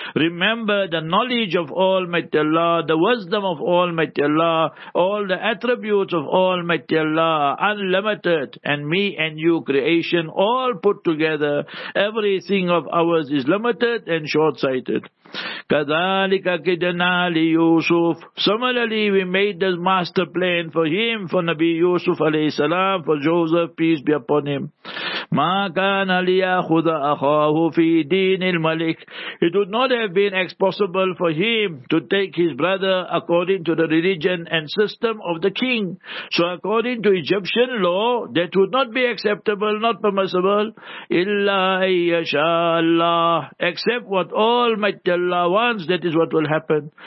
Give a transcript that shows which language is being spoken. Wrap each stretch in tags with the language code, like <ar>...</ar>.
<en>Remember, the knowledge of Almighty Allah, the wisdom of Almighty Allah, all the attributes of Almighty Allah, unlimited, and me and you creation, all put together, everything of ours is limited and short-sighted.</en> <ar>كَذَلِكَ كِدْنَا لِيُوسُفْ.</ar> <en>Similarly, we made this master plan for him, for Nabi Yusuf alayhi salam, for Joseph, peace be upon him.</en> <ar>ما كان ليأخذ أخاه في دين الملك.</ar> <en>It would not have been possible for him to take his brother according to the religion and system of the king. So according to Egyptian law, that would not be acceptable, not permissible.</en> <ar>Illa yasha Allah.</ar> <en>Except what Almighty Allah wants, that is what will happen.</en>